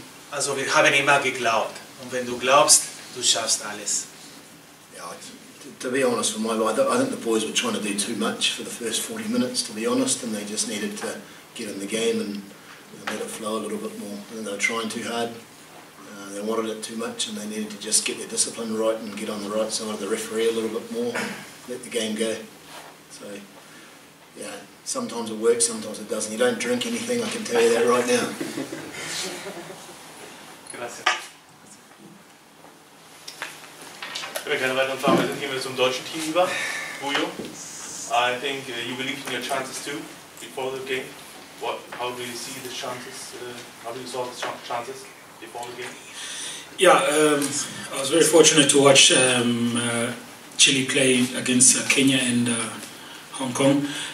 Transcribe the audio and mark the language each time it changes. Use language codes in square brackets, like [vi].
[de] Also wir haben immer geglaubt und wenn du glaubst, du schaffst alles. [en] To be honest, for my life, I think the boys were trying to do too much for the first 40 minutes, to be honest, and they just needed to get in the game and let it flow a little bit more. And they were trying too hard, they wanted it too much, and they needed to just get their discipline right and get on the right side of the referee a little bit more and let the game go. So, yeah, sometimes it works, sometimes it doesn't. You don't drink anything, I can tell you that right now. [es] Gracias. [de] Wir haben keine weiteren Fragen, wir sind hier mit zum deutschen Team über. [en] Bujo, I think you believe in your chances too, before the game. How do you see the chances, how do you solve the chances before the game? Yeah, I was very fortunate to watch Chile play against Kenya and Hong Kong.